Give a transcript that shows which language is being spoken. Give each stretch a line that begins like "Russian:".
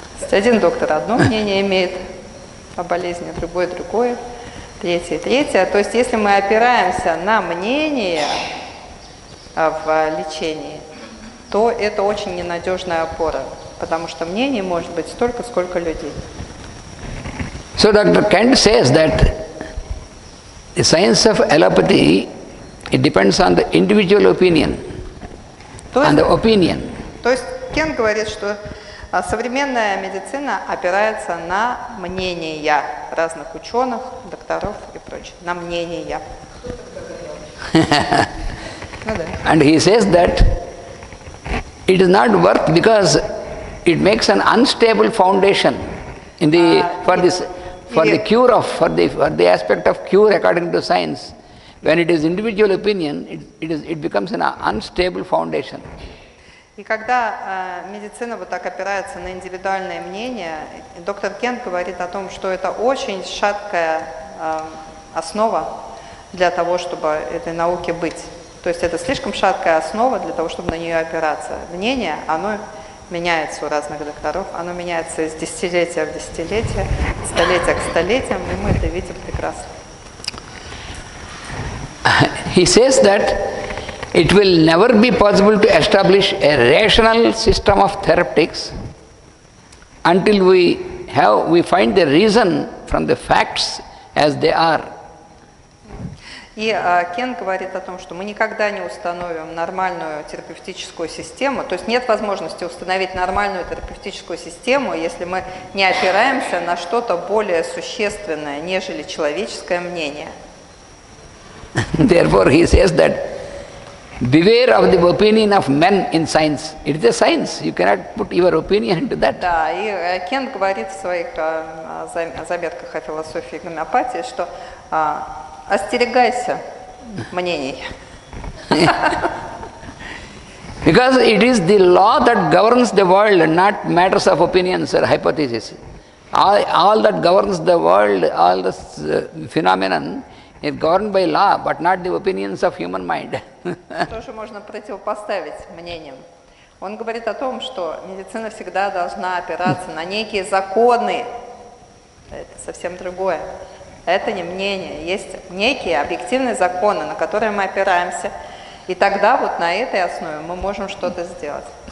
Russian: Один доктор одно мнение имеет о болезни, другой другое, третье. То есть если мы опираемся на мнение в лечении, то это очень ненадежная опора, потому что мнений может быть столько, сколько людей.
English: So Dr. Kent says that the science of allopathy It depends on the individual opinion.
Russian: То есть Кен говорит, что современная медицина опирается на мнения разных ученых, докторов и прочих. На мнения.
English: And he says that it is not work because it makes an unstable foundation in the for the aspect of cure according to science. When it is individual opinion, it becomes an unstable foundation.
Russian: И когда медицина вот так опирается на индивидуальное мнение, доктор Кент говорит о том, что это очень шаткая основа для того, чтобы этой науке быть. То есть это слишком шаткая основа для того, чтобы на нее опираться. Мнение, оно меняется у разных докторов, оно меняется из десятилетия в десятилетие, столетия к столетиям, и мы это видим прекрасно.
English: He says that it will never be possible to establish a rational system of therapeutics until we find the reason from the facts as they are.
Russian: И Кен говорит о том, что мы никогда не установим нормальную терапевтическую систему, то есть нет возможности установить нормальную терапевтическую систему, если мы не опираемся на что-то более существенное, нежели человеческое мнение.
English: Therefore, he says that beware of the opinion of men in science. It is a science. You cannot put your opinion into that.
Russian: Да, и Кен говорит в своих заметках о философии гомеопатии, что остерегайся мнений.
English: Because it is the law that governs the world, not matters of opinions or hypotheses. All that governs the world, all the phenomenon, is governed by law, but not the opinions of human mind.
Russian: Тоже можно противопоставить мнениям. Он говорит о том, что медицина всегда должна опираться на некие законы. Это совсем другое. Это не мнение. Есть некие объективные законы, на которые мы опираемся. И тогда вот на этой основе мы можем что-то сделать.